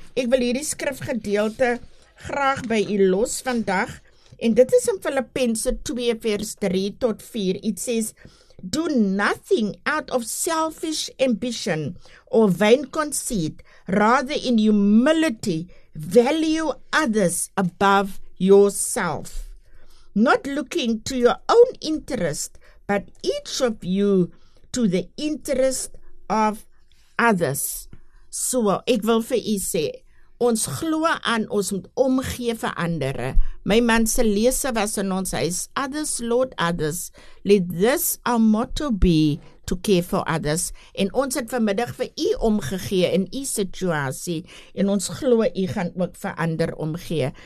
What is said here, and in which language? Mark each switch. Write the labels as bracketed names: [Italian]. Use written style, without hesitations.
[Afrikaans] Ek wil hierdie skrifgedeelte graag by u los vandag, en dit is in Filippense 2 vers 3 tot 4, [English] it says, do nothing out of selfish ambition or vain conceit, rather in humility value others above yourself, not looking to your own interest, but each of you to the interest of others. [Afrikaans] So, ek wil vir u sê, ons glo aan, ons moet omgee vir andere. My man se lese was in ons huis, [English] others, Lord, others. Let this our motto be to care for others. [Afrikaans] En ons het vanmiddag vir u omgegee in u situasie. En ons glo u gaan ook vir ander omgee.